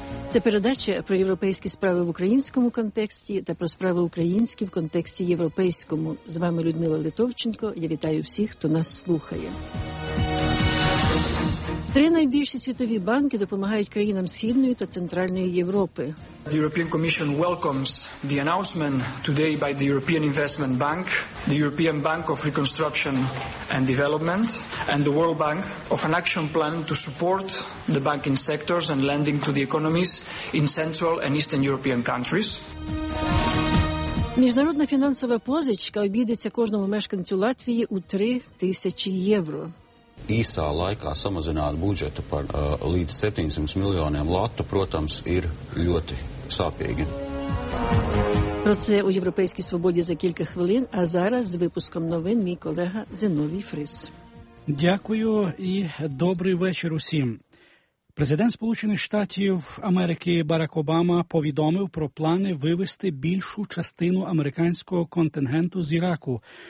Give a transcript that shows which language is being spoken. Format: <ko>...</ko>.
<uk>Це передача про європейські справи в українському контексті та про справи українські в контексті європейському. З вами Людмила Литовченко. Я вітаю всіх, хто нас слухає. Три найбільші світові банки допомагають країнам Східної та Центральної Європи.</uk> <en>The European Commission welcomes the announcement today by the European Investment Bank, the European Bank of Reconstruction and Development and the World Bank of an action plan to support the banking sectors and lending to the economies in Central and Eastern European countries.</en> <uk>Міжнародна фінансова позичка обійдеться кожному мешканцю Латвії у 3000 євро.</uk> <lv>Īsā laikā samazināt budžetu par līdz 700 miljoniem latu, protams, ir ļoti sāpīgi.</lv> <uk>Про це у Європейській свободі за кілька хвилин, а зараз з випуском новин мій колега Зиновій Фріс. Дякую і добрий вечір усім. Президент Сполучених Штатів Америки Барак Обама повідомив про плани вивести більшу частину американського контингенту з Іраку.</uk>